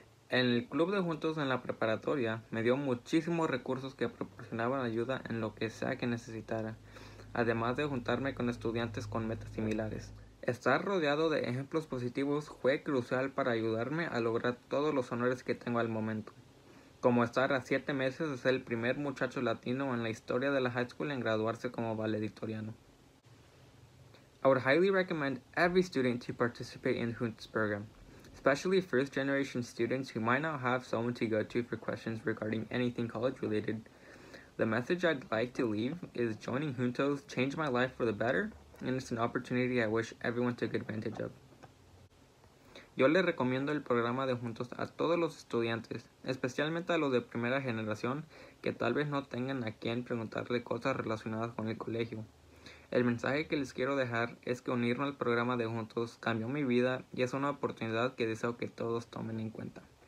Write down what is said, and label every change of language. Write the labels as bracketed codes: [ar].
[es] En el club de juntos en la preparatoria me dio muchísimos recursos que proporcionaban ayuda en lo que sea que necesitara, además de juntarme con estudiantes con metas similares. Estar rodeado de ejemplos positivos fue crucial para ayudarme a lograr todos los honores que tengo al momento, como estar a 7 meses de ser el primer muchacho latino en la historia de la high school en graduarse como valedictoriano. [en] I would highly recommend every student to participate in the Juntos program, especially first generation students who might not have someone to go to for questions regarding anything college related. The message I'd like to leave is joining Juntos changed my life for the better, and it's an opportunity I wish everyone took advantage of. [es] Yo le recomiendo el programa de Juntos a todos los estudiantes, especialmente a los de primera generación que tal vez no tengan a quien preguntarle cosas relacionadas con el colegio. El mensaje que les quiero dejar es que unirme al programa de Juntos cambió mi vida y es una oportunidad que deseo que todos tomen en cuenta.